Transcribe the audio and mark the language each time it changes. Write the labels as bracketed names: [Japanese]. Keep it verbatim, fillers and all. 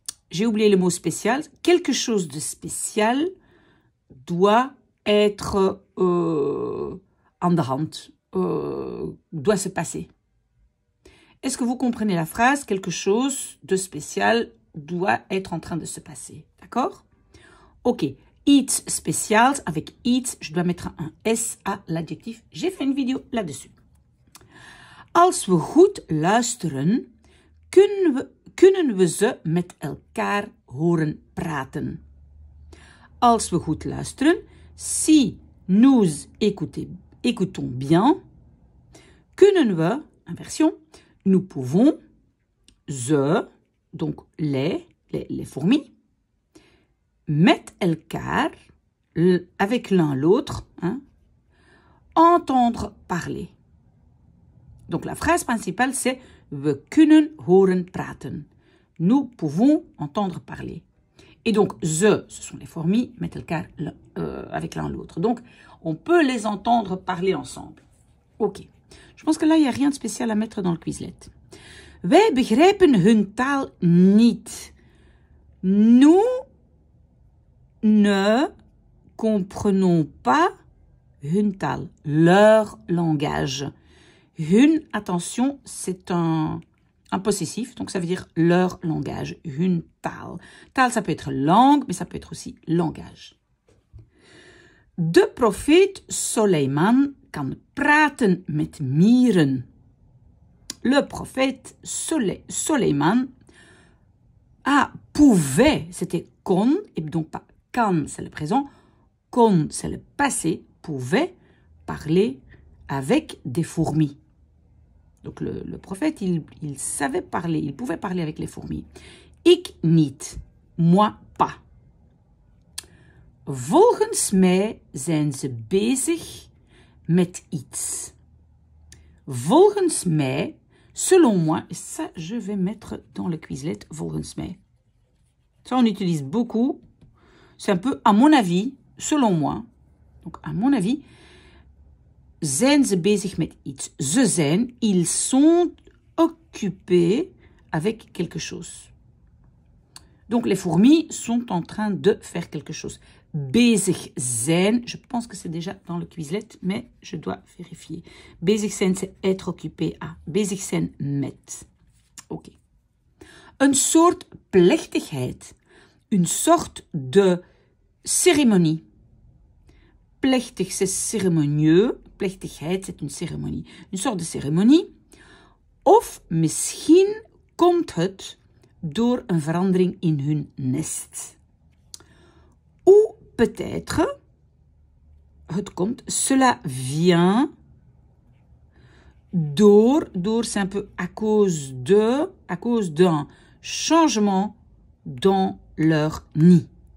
[French] J'ai oublié le mot spécial. Quelque chose de spécial doit être euh, [Dutch] aan de hand, [French] euh, doit se passer. Est-ce que vous comprenez la phrase? Quelque chose de spécial doit être en train de se passer. D'accord? Ok. Iets spécial. Avec iets, je dois mettre un S à l'adjectif. J'ai fait une vidéo là-dessus. [Dutch] Als we goed luisteren, kunnen we, kunnen we ze met elkaar horen praten. Als we goed luisteren, [French] si nous écoutez- écoutons bien, [Dutch] kunnen we, [French] inversion, nous pouvons, ze, donc les, les, les fourmis, [Dutch] met elkaar, [French] l- avec l'un l'autre, hein, entendre parler. Donc la phrase principale c'est [Dutch] we kunnen horen praten. [French] Nous pouvons entendre parler. Et donc ze, ce sont les fourmis, [Dutch] met elkaar [French] l- euh, avec l'un l'autre. Donc on peut les entendre parler ensemble. Ok. Je pense que là il n'y a rien de spécial à mettre dans le Quizlet. [Dutch] Wij begrijpen hun taal niet. [French] Nous ne comprenons pas [Dutch] hun taal, [French] leur langage. Hun, attention, c'est un, un possessif, donc ça veut dire leur langage, [Dutch] hun taal. [French] Taal, ça peut être langue, mais ça peut être aussi langage. [Dutch] De profeet Soleiman kan praten met mieren. [French] le prophète Soleiman a pouvait, c'était kon, et donc pas kan, c'est le présent, kon, c'est le passé, pouvait parler avec des fourmis. Donc le, le prophète, il, il savait parler, il pouvait parler avec les fourmis. [Dutch] Ik niet, [French] moi pas. [Dutch] Volgens mij zijn ze bezig met iets. Volgens mij, [French] selon moi, et ça je vais mettre dans le Quizlet, [Dutch] volgens mij. [French] Ça on utilise beaucoup, c'est un peu à mon avis, selon moi. Donc à mon avis, [Dutch] zijn ze bezig met iets. Ze zijn, [French] ils sont occupés avec quelque chose. Donc les fourmis sont en train de faire quelque chose. [Dutch] Bezig zijn, [French] je pense que c'est déjà dans le Quizlet, mais je dois vérifier. [Dutch] Bezig zijn, [French] c'est être occupé à. [Dutch] Bezig zijn met. [French] Ok. [Dutch] Een soort plechtigheid. [French] Une sorte de cérémonie. Plechtig, c'est cérémonieux. Plechtigheid, c'est une cérémonie. Une sorte de cérémonie. [Dutch] Of misschien komt het door een verandering in hun nest. [French] Ou peut-être, [Dutch] het komt, [French] cela vient door, door c'est un peu à cause de, à cause d'un changement dans leur nid.